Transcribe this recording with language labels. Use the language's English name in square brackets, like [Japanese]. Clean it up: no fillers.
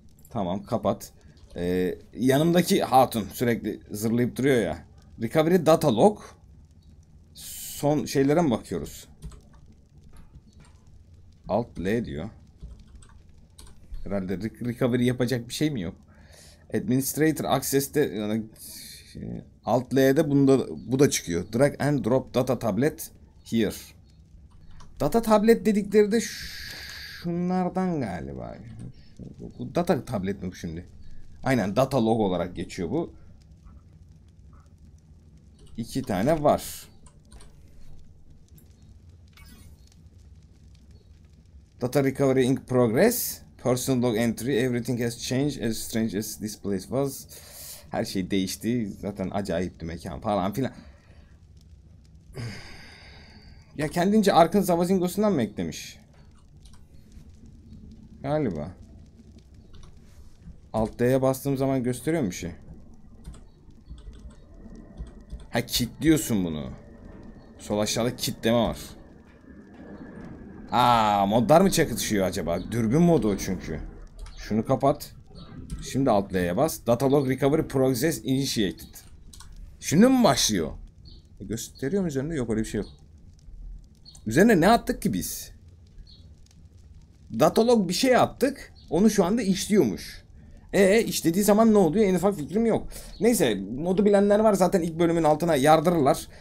[Turkish] Tamam, kapat. Yanımdaki hatun sürekli zırlayıp duruyor ya. Recovery data log. Son şeylere mi bakıyoruz? Alt L diyor. Herhalde recovery yapacak bir şey mi yok? Administrator access'te yani Alt L'de bu da çıkıyor. [English] Drag and drop data tablet here. [Turkish] Data tablet dedikleri de şunlardan galiba. Bu data tablet mi bu şimdi? Aynen, data log olarak geçiyor bu. İki tane var. [English] Data recovery in progress. Personal log entry. Everything has changed as strange as this place was. [Turkish] Her şey değişti. Zaten acayip bir mekan falan filan. Ya kendince Ark'ın Zavazingos'undan mı eklemiş? Galiba. Alt D'ye bastığım zaman gösteriyor mu şey? Ha, kilitliyorsun bunu. Sol aşağıda kilitleme var. Modlar mı çakışıyor acaba? Dürbün modu çünkü. Şunu kapat. Şimdi Alt L'ye bas. [English] Data log recovery process initiated. [Turkish] Şimdi mi başlıyor? Gösteriyor mu üzerinde? Yok, öyle bir şey yok. Üzerine ne attık ki biz? Data log bir şey attık. Onu şu anda işliyormuş. İşlediği zaman ne oluyor? En ufak fikrim yok. Neyse, modu bilenler var zaten ilk bölümün altına yardırırlar.